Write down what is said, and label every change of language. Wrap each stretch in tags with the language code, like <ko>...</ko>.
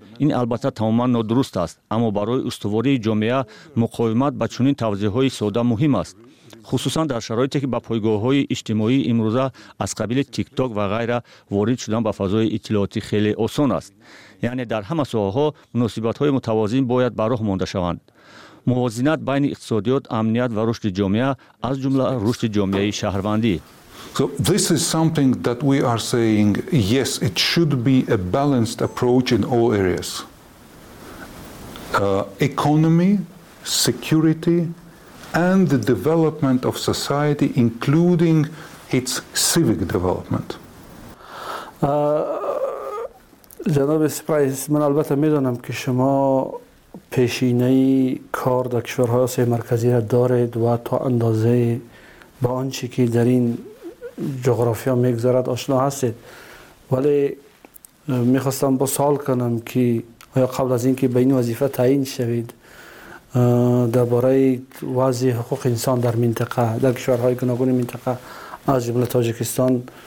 <fa>این البته تماماً نادرست است، اما برای استواری جامعه مقاومت با چنین توضیح‌های ساده مهم است، خصوصا در شرایطی که با پایگاه‌های اجتماعی امروزه از قبیل تیک تاک و غیره وارد شدن به فضای اطلاعاتی خیلی آسان است. یعنی در همه ساحه‌ها مناسبت‌های متوازن باید به راه مانده شوند. موازنت بین اقتصادیات، امنیت و رشد جامعه از جمله رشد جامعه شهروندی.</fa> <en>So this is something that we are saying, yes, it should be a balanced approach in all areas. Economy, security and the development of society, including its civic development.</en> <fa>جناب سپرایز، من البته میدونم که شما پیشینه کار در کشورهای آسیای مرکزی را دارید و تا اندازه با آنچه که در این جغرافیا میگذرد آشنا هستید، ولی میخواستم با سوال کنم که آیا قبل از اینکه به این وظیفه تعیین شوید درباره وضع حقوق انسان در منطقه، در کشورهای گوناگون منطقه از جمله تاجیکستان</fa>